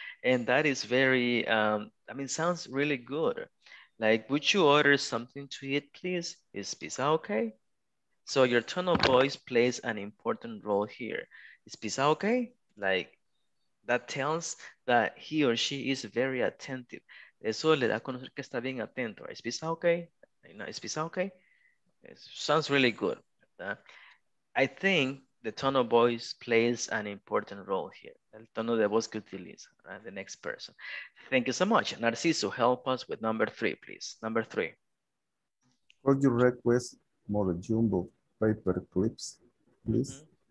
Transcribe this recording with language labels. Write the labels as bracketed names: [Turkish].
[English] And that is very, sounds really good. Like, would you order something to eat, please? Is pizza okay? So your tone of voice plays an important role here. Is pizza okay? Like, that tells that he or she is very attentive. [Spanish] Eso le da a conocer que está bien atento. [English] Is pizza okay? You know, is pizza okay? It sounds really good. I think the tone of voice plays an important role here. [Spanish] El tono de voz que utiliza, [English] right? The next person. Thank you so much. Narciso, help us with number three, please. Number three. Could you request more jumbo paper clips, please?